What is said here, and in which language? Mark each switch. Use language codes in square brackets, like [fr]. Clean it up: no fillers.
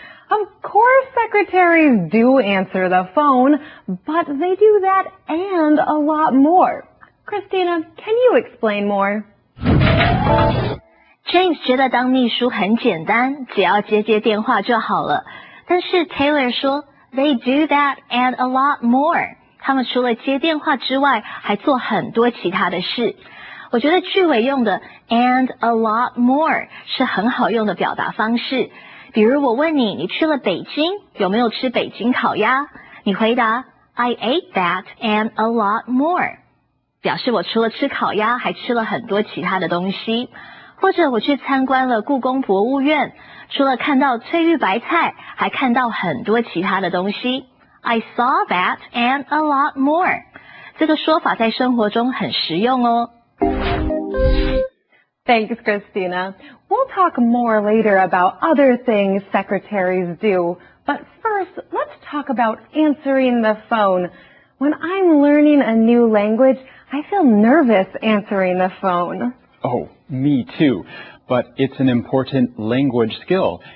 [en] Of course secretaries do answer the phone, but they do that and a lot more. Christina, can you explain more? [zh] James 觉得当秘书很简单，只要接接电话就好了。 [en] 但是 Taylor 说 they do that and a lot more. [zh] 他们除了接电话之外还做很多其他的事。我觉得句尾用的 and a lot more 是很好用的表达方式。比如我问你，你去了北京，有没有吃北京烤鸭？你回答 I ate that and a lot more，表示我除了吃烤鸭还吃了很多其他的东西。或者我去参观了故宫博物院，除了看到翠玉白菜还看到很多其他的东西。 [en] I saw that and a lot more. [zh] 这个说法在生活中很实用哦。 [en] Thanks, Christina. We'll talk more later about other things secretaries do. But first, let's talk about answering the phone. When I'm learning a new language, I feel nervous answering the phone. Oh, me too. But it's an important language skill.